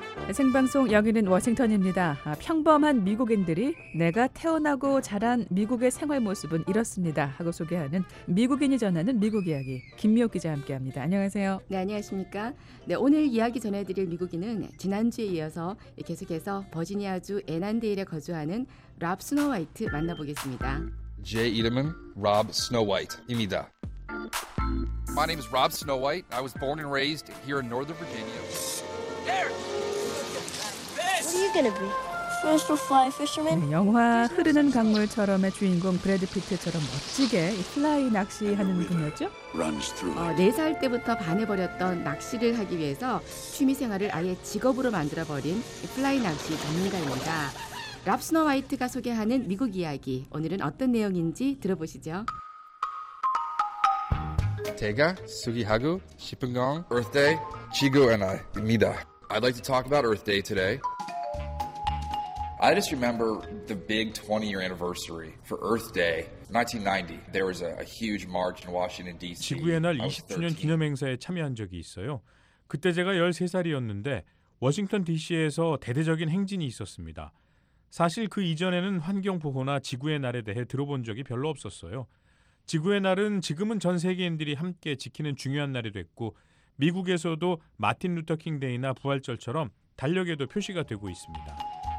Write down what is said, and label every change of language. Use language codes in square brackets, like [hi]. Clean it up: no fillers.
[ko] 생방송 여기는 워싱턴입니다. 평범한 미국인들이 내가 태어나고 자란 미국의 생활 모습은 이렇습니다 하고 소개하는 미국인이 전하는 미국 이야기, 김미옥 기자와 함께합니다. 안녕하세요. 네, 안녕하십니까. 네, 오늘 이야기 전해드릴 미국인은 지난주에 이어서 계속해서 버지니아주 애난데일에 거주하는 랍 스노우화이트 만나보겠습니다. 제 이름은 랍 스노우화이트입니다. [en] My name is Rob Snow White. I was born and raised here in Northern Virginia. What are you gonna be? First a fly fisherman? [ko] 영화 흐르는 강물처럼의 주인공 브래드 피트처럼 멋지게 플라이 낚시하는 분이었죠? 4살 때부터 반해버렸던 낚시를 하기 위해서 취미생활을 아예 직업으로 만들어버린 플라이 낚시 전문가입니다. 랍 스노우화이트가 소개하는 미국 이야기, 오늘은 어떤 내용인지 들어보시죠. 제가 소개하고 싶은 건 Earth Day, 지구 하나입니다. [en] I'd like to talk about Earth Day today. I just remember the big 20-year anniversary for Earth Day, 1990. There was a huge march in Washington, D.C. [ko] 지구의 날 20주년 기념 행사에 참여한 적이 있어요. 그때 제가 13살이었는데 워싱턴 D.C.에서 대대적인 행진이 있었습니다. 사실 그 이전에는 환경 보호나 지구의 날에 대해 들어본 적이 별로 없었어요. 지구의 날은 지금은 전 세계인들이 함께 지키는 중요한 날이 됐고, 미국에서도 마틴 루터 킹 데이나 부활절처럼 달력에도 표시가 되고 있습니다.